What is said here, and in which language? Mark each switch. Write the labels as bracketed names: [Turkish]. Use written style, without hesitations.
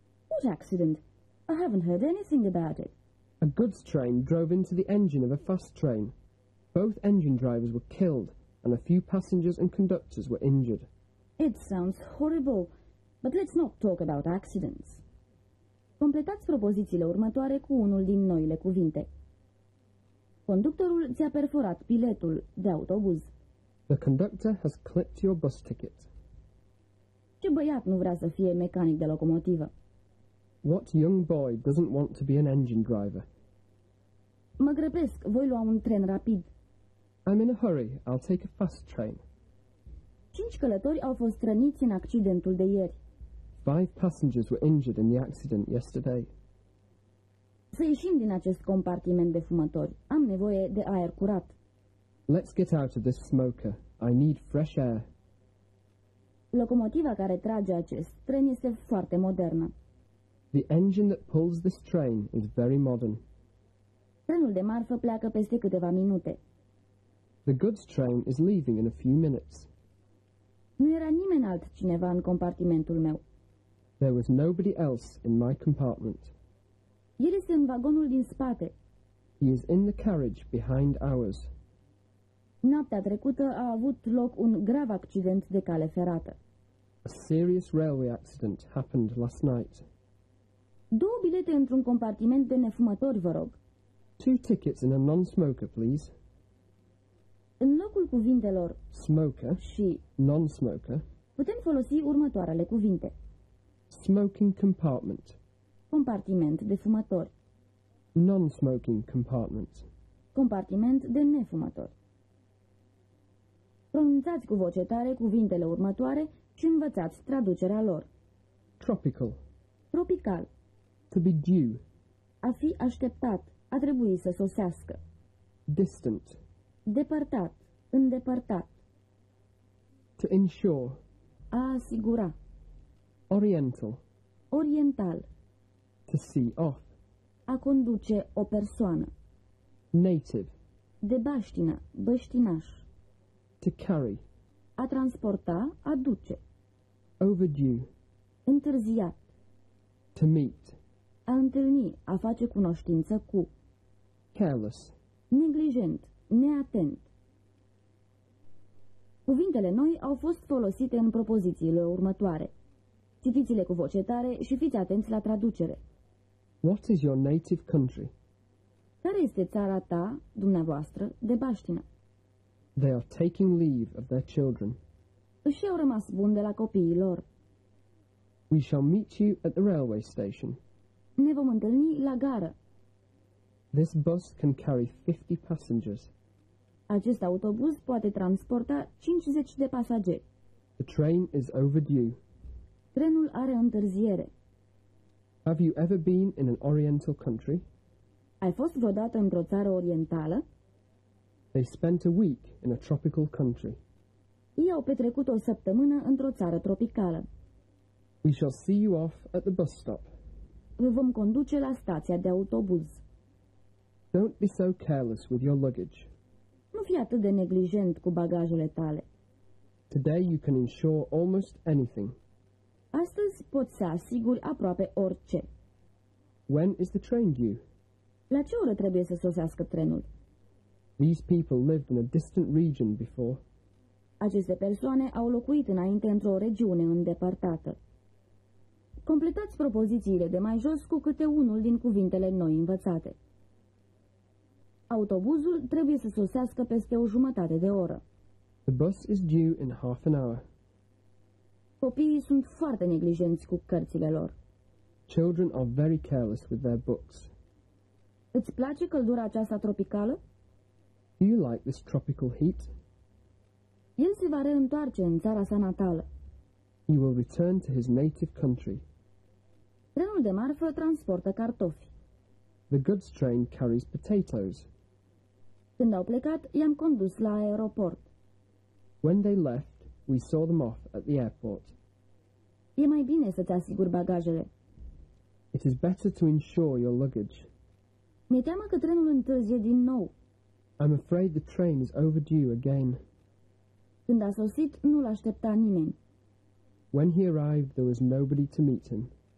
[English] What accident? I haven't heard anything about it. A goods train drove into the engine of a fast train. Both engine drivers were killed, and a few passengers and conductors were injured. It sounds horrible, but let's not talk about accidents. [Romanian] Completați propozițiile următoare cu unul din noile cuvinte. Conductorul ți-a perforat biletul de autobuz. [English] The conductor has clipped your bus ticket. [Romanian] Ce băiat nu vrea să fie mecanic de locomotivă? [English] What young boy doesn't want to be an engine driver? [Romanian] Mă grăbesc, voi lua un tren rapid. [English] I'm in a hurry, I'll take a fast train. [Romanian] 5 călători au fost răniți în accidentul de ieri. [English] 5 passengers were injured in the accident yesterday. [Romanian] Să ieșim din acest compartiment de fumători. Am nevoie de aer curat. [English] Let's get out of this smoker. I need fresh air. [Romanian] Locomotiva care trage acest tren este foarte modernă. [English] The engine that pulls this train is very modern. [Romanian] Trenul de marfă pleacă peste câteva minute. [English] The goods train is leaving in a few minutes. [Romanian] Nu era nimeni altcineva în compartimentul meu. [English] There was nobody else in my compartment. [Romanian] El este în vagonul din spate. [English] He is in the carriage behind ours. [Romanian] Noaptea trecută a avut loc un grav accident de cale ferată. [English] A serious railway accident happened last night. [Romanian] Două bilete într-un compartiment de nefumători, vă rog. [English] Two tickets in a non-smoker, please. [Romanian] În locul cuvintelor [English] smoker [Romanian] și [English] non-smoker, [Romanian] putem folosi următoarele cuvinte. [English] Smoking compartment. [Romanian] Compartiment de fumători. [English] Non-smoking compartment. [Romanian] Compartiment de nefumători. Pronunțați cu voce tare cuvintele următoare și învățați traducerea lor. [English] Tropical. [Romanian] Tropical. [English] To be due. [Romanian] A fi așteptat, a trebui să sosească. [English] Distant. [Romanian] Depărtat, îndepărtat. [English] To ensure. [Romanian] A asigura. [English] Oriental. [Romanian] Oriental. [English] To see off. [Romanian] A conduce o persoană. [English] Native. [Romanian] De baștină, băștinaș. [English] To carry. [Romanian] A transporta, a duce. [English] Overdue. [Romanian] Întârziat. [English] To meet. [Romanian] A întâlni, a face cunoștință cu. [English] Careless. [Romanian] Neglijent, neatent. Cuvintele noi au fost folosite în propozițiile următoare. Citiți-le cu voce tare și fiți atenți la traducere. [English] What is your native country? [Romanian] Care este țara ta, dumneavoastră, de baștină? [English] They are taking leave of their children. [Romanian] Își au rămas bun de la copiii lor. [English] We shall meet you at the railway station. [Romanian] Ne vom întâlni la gară. [English] This bus can carry 50 passengers. [Romanian] Acest autobuz poate transporta 50 de pasageri. [English] The train is overdue. [Romanian] Trenul are întârziere. [English] Have you ever been in an oriental country? [Romanian] Ai fost vreodată într-o țară orientală? [English] They spent a week in a tropical country. [Romanian] Ei au petrecut o săptămână într-o țară tropicală. [English] We shall see you off at the bus stop. [Romanian] Vă vom conduce la stația de autobuz. [English] Don't be so careless with your luggage. [Romanian] Nu fi atât de neglijent cu bagajele tale. [English] Today you can insure almost anything. [Romanian] Astăzi poți să asiguri aproape orice. [English] When is the train due? [Romanian] La ce oră trebuie să sosească trenul? [English] These people lived in a distant region before. [Romanian] Aceste persoane au locuit înainte într-o regiune îndepărtată. Completați propozițiile de mai jos cu câte unul din cuvintele noi învățate. Autobuzul trebuie să sosească peste o jumătate de oră. [English] The bus is due in half an hour. [Romanian] Copiii sunt foarte neglijenți cu cărțile lor. [English] Children are very careless with their books. [Romanian] Îți place căldura aceasta tropicală? [English] Do you like this tropical heat? [Romanian] El se va reîntoarce în țara sa natală. [English] He will return to his native country. [Romanian] Trenul de marfă transportă cartofi. [English] The goods train carries potatoes. [Romanian] Când au plecat, i-am condus la aeroport. [English] When they left, we saw them off at the airport. [Romanian] E mai bine să-ți asiguri bagajele. [English] It is better to insure your luggage. [Romanian] Mi-e teamă că trenul întârzie din nou. [English] I'm afraid the train is overdue again. [Romanian] Când a sosit, nu l-aștepta nimeni. [English] When he arrived, there was nobody to meet him.